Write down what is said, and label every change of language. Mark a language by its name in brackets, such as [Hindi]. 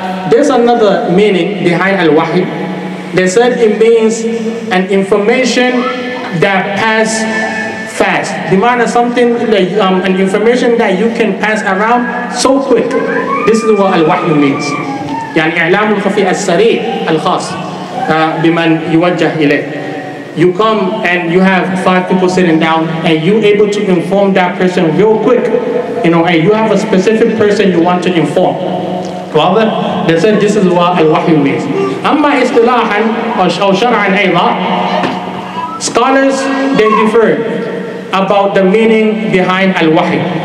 [English] There's another meaning behind al-wahy. They said it means an information that passed fast. Demand is something that an information that you can pass around so quick. This is what al-wahy means. [Arabic] يعني إعلام الخفي السريع الخاص بمن يوجه إليه. [English] You come and you have five people sitting down and you able to inform that person real quick. You know, and you have a specific person you want to inform. Rather, they said this is what al-wahy means. [Arabic] أما إصطلاحا أو شرعا أيضا, [English] scholars they differ about the meaning behind al-wahy.